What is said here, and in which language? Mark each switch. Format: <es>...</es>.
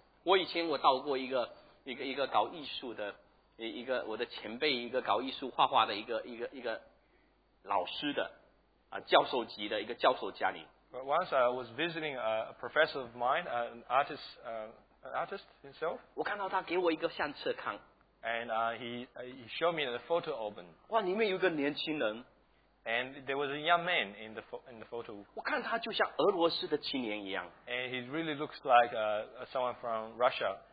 <zh>我以前我到过一个搞艺术的一个我的前辈，一个搞艺术画画的一个老师的教授级的一个教授家里。</zh> <en>But once I was visiting a professor of mine, an artist himself.</en> <zh>我看到他给我一个相册看。</zh> <en>And he showed me the photo album.</en> <zh>哇，里面有个年轻人。</zh> <en>And there was a young man in the photo.</en> <zh>我看他就像俄罗斯的青年一样。</zh> <en>And he really looks like someone from Russia.</en>